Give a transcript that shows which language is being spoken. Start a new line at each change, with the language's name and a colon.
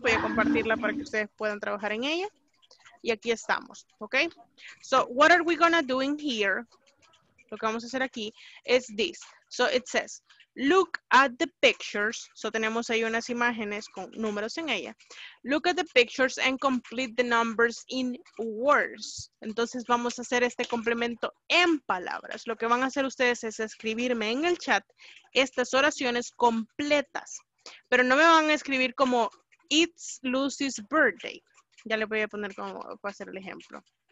Spanish: Voy a compartirla para que ustedes puedan trabajar en ella. Y aquí estamos, ¿ok?
English: So, what are we gonna doing here?
Spanish: Lo que vamos a hacer aquí es
English: this. So, it says, look at the pictures.
Spanish: So, tenemos ahí unas imágenes con números en ella.
English: Look at the pictures and complete the numbers in words.
Spanish: Entonces, vamos a hacer este complemento en palabras. Lo que van a hacer ustedes es escribirme en el chat estas oraciones completas. Pero no me van a escribir como,
English: it's Lucy's birthday.
Spanish: Ya le voy a poner como para hacer el ejemplo.